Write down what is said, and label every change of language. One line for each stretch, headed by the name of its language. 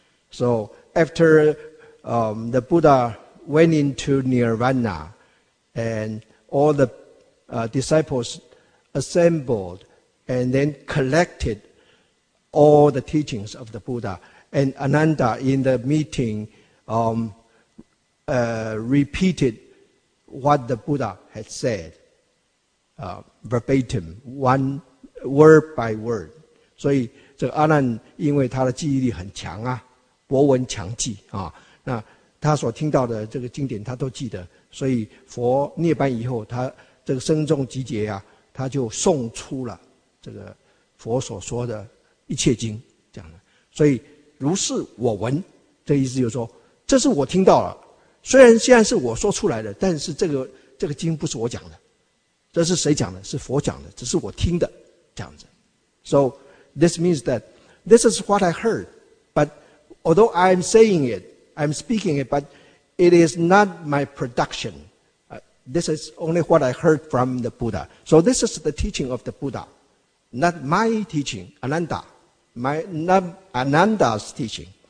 English: So after the Buddha went into Nirvana, and all the disciples assembled and then collected all the teachings of the Buddha. And Ananda in the meeting repeated what the Buddha had said verbatim, one word by word.
Chinese: 所以这个阿难因为他的记忆力很强啊，博闻强记啊，那他所听到的这个经典他都记得，所以佛涅槃以后他这个僧众集结啊，他就送出了这个佛所说的一切经，这样的。所以如是我闻，这意思就是说，这是我听到了。虽然现在是我说出来的，但是这个经不是我讲的，这是谁讲的？是佛讲的，只是我听的这样子。
English: So this means that this is what I heard, but although I'm saying it, I'm speaking it, but it is not my production. This is only what I heard from the Buddha. So this is the teaching of the Buddha, not my teaching, Ananda, not Ananda's teaching.